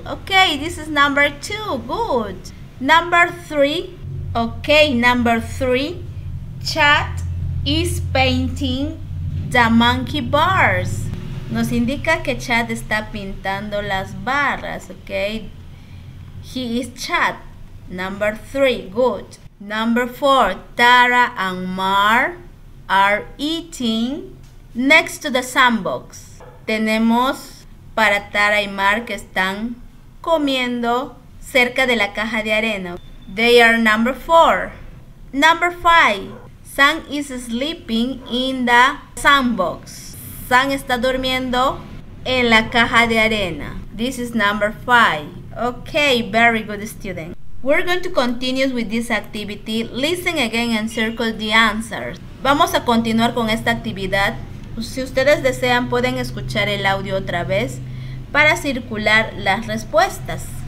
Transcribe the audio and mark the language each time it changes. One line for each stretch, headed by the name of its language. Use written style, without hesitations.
English: Ok, this is number two. Good. Number three. Ok, number three. Chad is painting the monkey bars.
Spanish: Nos indica que Chad está pintando las barras, ok?
English: He is Chad. Number three, good. Number four, Tara and Mar are eating next to the sandbox.
Spanish: Tenemos para Tara y Mar que están comiendo cerca de la caja de arena.
English: They are number four. Number five, Sam is sleeping in the sandbox.
Spanish: Sam está durmiendo en la caja de arena.
English: This is number five. Okay, very good student. We're going to continue with this activity. Listen again and circle the answers.
Spanish: Vamos a continuar con esta actividad. Si ustedes desean, pueden escuchar el audio otra vez para circular las respuestas.